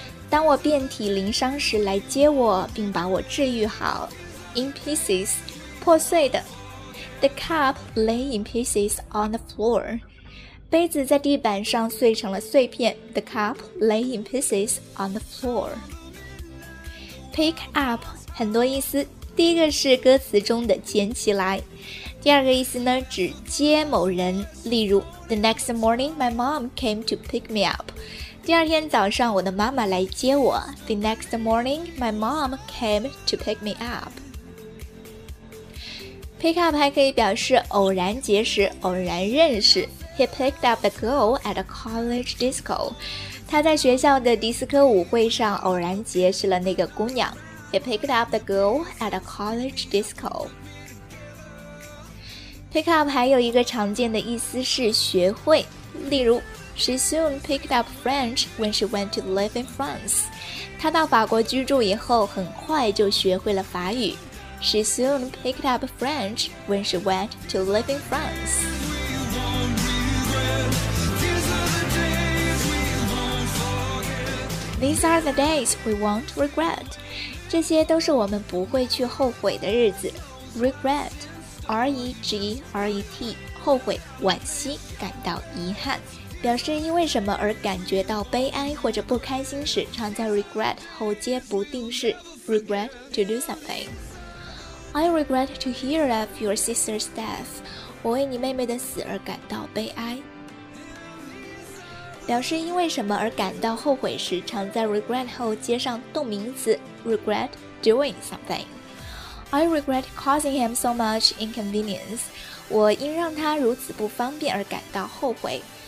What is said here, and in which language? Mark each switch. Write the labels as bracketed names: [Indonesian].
[Chinese] 当我遍体鳞伤时，来接我，并把我治愈好。 [English] In pieces, [Chinese] 破碎的。 [English] The cup lay in pieces on the floor. [Chinese] 杯子在地板上碎成了碎片。 [English] The cup lay in pieces on the floor. [Chinese] Pick up 很多意思，第一个是歌词中的捡起来，第二个意思呢指接某人，例如 [English] The next morning my mom came to pick me up， [Chinese] 第二天早上我的妈妈来接我。 [English] The next morning my mom came to pick me up。 [Chinese] Pick up 还可以表示偶然结识、偶然认识。 [English] He picked up the girl at a college disco. [Chinese] 他在学校的迪斯科舞会上偶然结识了那个姑娘。 [English] He picked up the girl at a college disco. Pick up [Chinese] 还有一个常见的意思是学会，例如 [English] She soon picked up French when she went to live in France. [Chinese] 她到法国居住以后很快就学会了法语。 [English] She soon picked up French when she went to live in France. These are the days we won't regret. [Chinese] 这些都是我们不会去后悔的日子。 Regret, R-E-G-R-E-T, 后悔、惋惜、感到遗憾，表示因为什么而感觉到悲哀或者不开心时，常在 regret 后接不定式。 [English] Regret to do something. I regret to hear of your sister's death. [Chinese] 我为你妹妹的死而感到悲哀。表示因为什么而感到后悔时，常在 regret 后接上动名词 [English] regret doing something. I regret causing him so much inconvenience. [Chinese] 我因让他如此不方便而感到后悔。